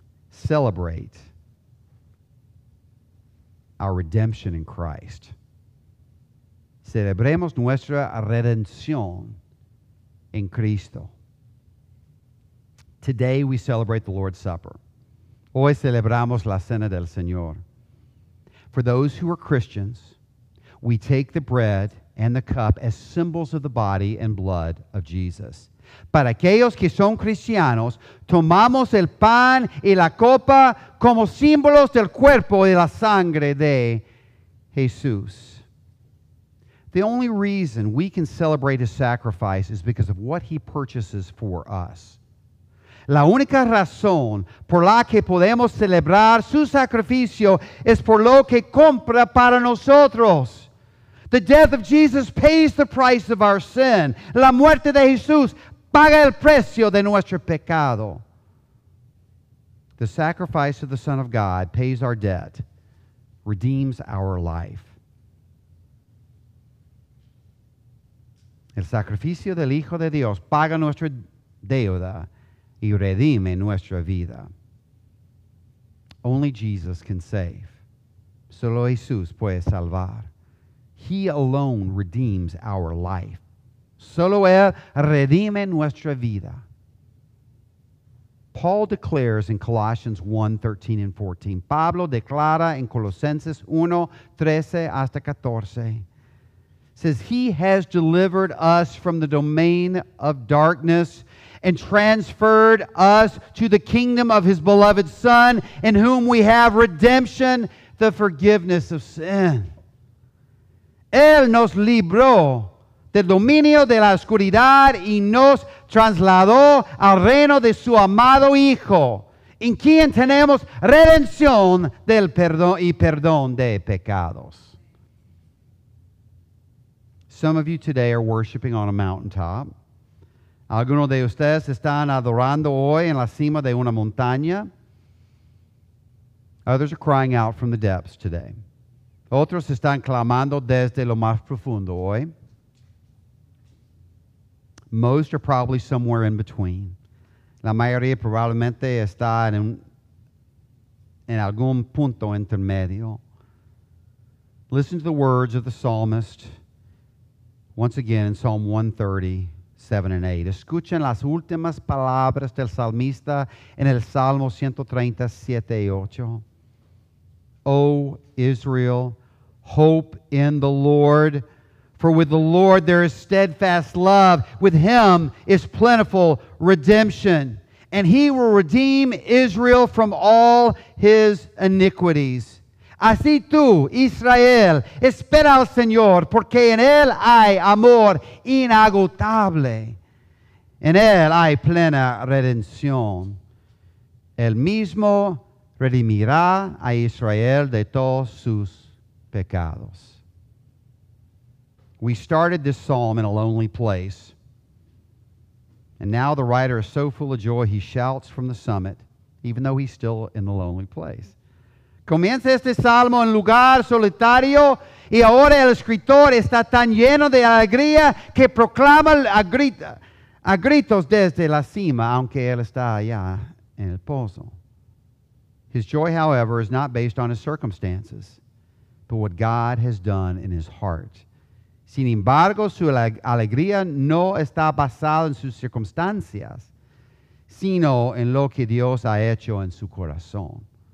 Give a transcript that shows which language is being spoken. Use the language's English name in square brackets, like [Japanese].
[English] celebrate our redemption in Christ. [Spanish] Celebremos nuestra redención en Cristo. [English] Today we celebrate the Lord's Supper. [Spanish] Hoy celebramos la Cena del Señor. [English] For those who are Christians, we take the bread and the cup as symbols of the body and blood of Jesus. [Spanish] Para aquellos que son cristianos, tomamos el pan y la copa como símbolos del cuerpo y la sangre de Jesús. [English] The only reason we can celebrate his sacrifice is because of what he purchases for us. [Spanish] La única razón por la que podemos celebrar su sacrificio es por lo que compra para nosotros. [English] The death of Jesus pays the price of our sin. [Spanish] La muerte de Jesús paga el precio de nuestro pecado. [English] The sacrifice of the Son of God pays our debt, redeems our life. [Spanish] El sacrificio del Hijo de Dios paga nuestra deuda y redime nuestra vida. [English] Only Jesus can save. [Spanish] Solo Jesús puede salvar. [English] He alone redeems our life. [Spanish] Solo Él redime nuestra vida. [English] Paul declares in Colossians 1, 13 and 14. [Spanish] Pablo declara en Colosenses 1, 13 hasta 14. [English] Says, he has delivered us from the domain of darkness and transferred us to the kingdom of his beloved Son, in whom we have redemption, the forgiveness of sin. [Spanish] Él nos libró del dominio de la oscuridad y nos trasladó al reino de su amado Hijo, en quien tenemos redención del perdón y perdón de pecados. [English] Some of you today are worshiping on a mountaintop. [Spanish] Algunos de ustedes están adorando hoy en la cima de una montaña. [English] Others are crying out from the depths today. [Spanish] Otros están clamando desde lo más profundo hoy. [English] Most are probably somewhere in between. [Spanish] La mayoría probablemente está en algún punto intermedio. [English] Listen to the words of the psalmist once again in Psalm 130. 7 and 8. [Spanish] Escuchen las últimas palabras del salmista en el Salmo 137 y 8. [English] O Israel, hope in the Lord, for with the Lord there is steadfast love. With him is plentiful redemption. And he will redeem Israel from all his iniquities. [Spanish] Así tú, Israel, espera al Señor, porque en Él hay amor inagotable. En Él hay plena redención. Él mismo redimirá a Israel de todos sus pecados. [English] We started this psalm in a lonely place. And now the writer is so full of joy, he shouts from the summit, even though he's still in the lonely place. [Spanish] Comienza este salmo en lugar solitario y ahora el escritor está tan lleno de alegría que proclama a gritos desde la cima, aunque él está allá en el pozo. [English] His joy, however, is not based on his circumstances, but what God has done in his heart. [Spanish] Sin embargo, su alegría no está basada en sus circunstancias, sino en lo que Dios ha hecho en su corazón.